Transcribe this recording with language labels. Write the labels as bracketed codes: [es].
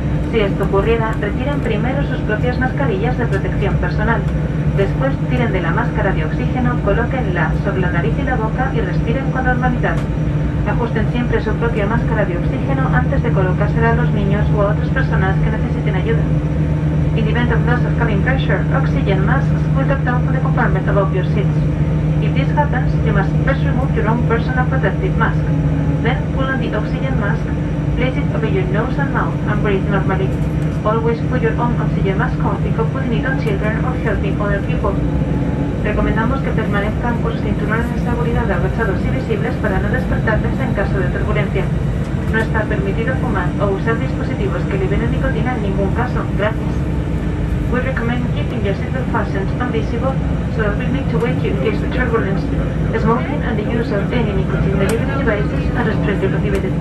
[es] Si esto ocurriera, retiren primero sus propias mascarillas de protección personal. Después, tiren de la máscara de oxígeno, colóquenla sobre la nariz y la boca y respiren con normalidad. Ajusten siempre su propia máscara de oxígeno antes de colocársela a los niños o a otras personas que necesiten ayuda. [en] In the event of loss of cabin pressure, oxygen masks will drop down from the compartment above your seats. If this happens, you must first remove your own personal protective mask. Then pull on the oxygen mask, place it over your nose and mouth, and breathe normally. Always put your own oxygen mask on before putting it on children or helping other people. [es] Recomendamos que permanezcan con sus cinturones de seguridad abrochados y visibles para no despertarles en caso de turbulencia. No está permitido fumar o usar dispositivos que liberen nicotina en ningún caso. Gracias. [en] We recommend keeping your seatbelt fastened and visible so that we need to wake you in case of turbulence. Smoking and the use of any nicotine delivery devices are strictly prohibited.